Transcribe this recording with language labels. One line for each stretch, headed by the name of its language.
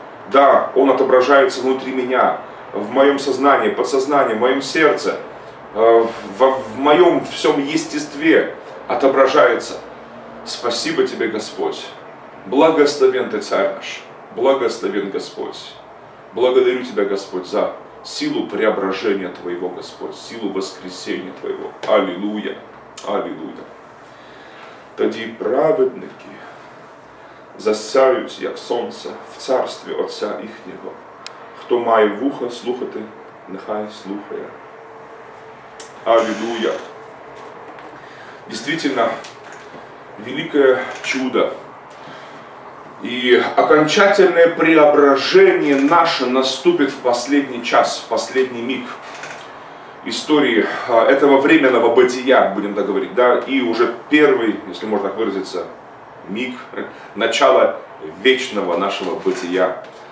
Russian: Да, Он отображается внутри меня, в моем сознании, подсознании, в моем сердце, в моем всем естестве отображается. Спасибо тебе, Господь. Благословен ты, Царь наш, благословен Господь. Благодарю тебя, Господь, за силу преображения твоего, Господь, силу воскресения твоего. Аллилуйя, аллилуйя.
Ukrainian: Тоді праведники засяють, як сонце, в царстві Отця їхнього. Хто має вуха слухати, нехай слухає.
Russian: Аллилуйя. Действительно, велике чудо. И окончательное преображение наше наступит в последний час, в последний миг истории этого временного бытия, будем так говорить, да, и уже первый, если можно так выразиться, миг, начало вечного нашего бытия.